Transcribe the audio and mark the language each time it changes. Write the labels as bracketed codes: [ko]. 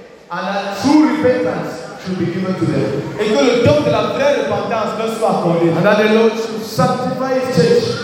[en] And that true repentance should be given to them. [fr] Et que le don de la vraie repentance leur soit accordé. [en] And that the Lord should sanctify his church.